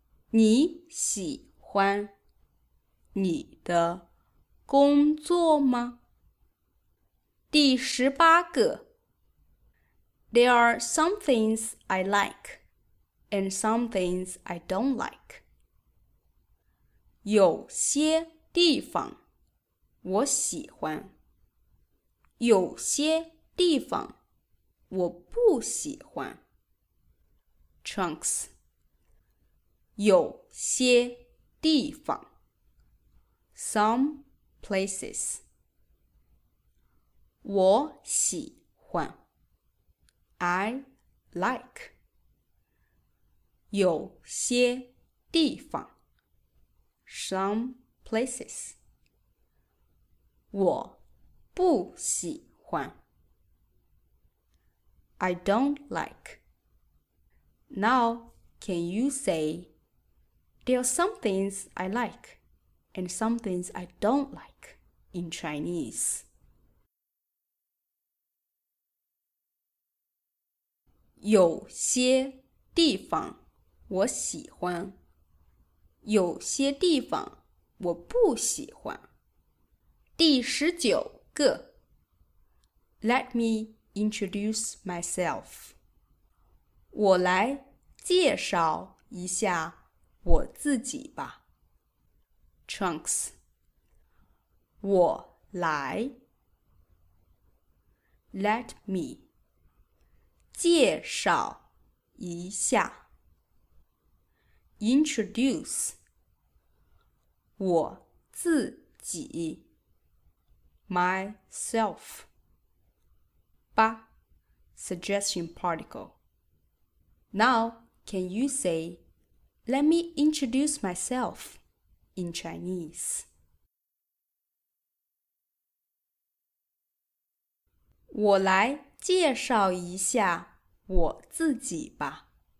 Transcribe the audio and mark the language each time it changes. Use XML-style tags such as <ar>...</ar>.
<zh>你喜欢你的工作吗？第十八个。</zh> <en>There are some things I like, and some things I don't like.</en> <zh>有些地方我喜欢，有些地方我不喜欢。</zh> <en>Trunks.</en> <zh>有些地方。</zh> <en>Some places.</en> <zh>我喜欢。</zh> <en>I like.</en> <zh>有些地方。</zh> <en>Some places.</en> <zh>我不喜欢。</zh> <en>I don't like. Now, can you say, there are some things I like, and some things I don't like in Chinese?</en> <zh>有些地方我喜欢，有些地方我不喜欢。第十九个。</zh> <en>Let me introduce myself.</en> <zh>我来介绍一下我自己吧。</zh> <en>Trunks.</en> <zh>我来。</zh> <en>Let me.</en> <zh>介绍一下。</zh> <en>Introduce</en> <zh>我自己。</zh> <en>myself. 八, suggestion particle. Now, can you say, let me introduce myself in Chinese?</en> <zh>我来介绍一下我自己吧。</zh>